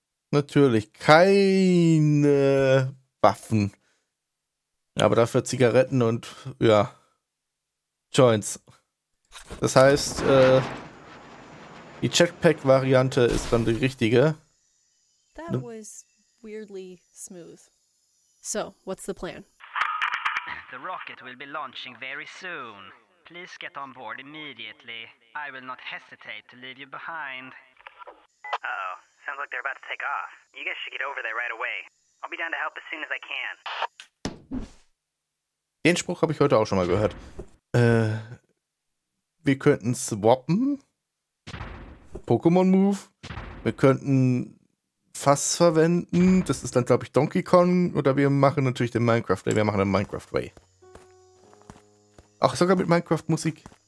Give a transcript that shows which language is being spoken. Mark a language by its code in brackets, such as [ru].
[de] Natürlich keine Waffen. Aber dafür Zigaretten und, ja, Joints. Das heißt, die Jetpack-Variante ist dann die richtige. [en] That was weirdly smooth. So, what's the plan? The rocket will be launching very soon. Please get on board immediately. I will not hesitate to leave you behind. Uh-oh. Sounds like they're about to take off. You guys should get over there right away. I'll be down to help as soon as I can. [de] Den Spruch habe ich heute auch schon mal gehört. Wir könnten swappen. Pokémon Move. Wir könnten Fass verwenden. Das ist dann, glaube ich, Donkey Kong. Oder wir machen natürlich den Minecraft Way. Wir machen den Minecraft Way. Auch sogar mit Minecraft Musik.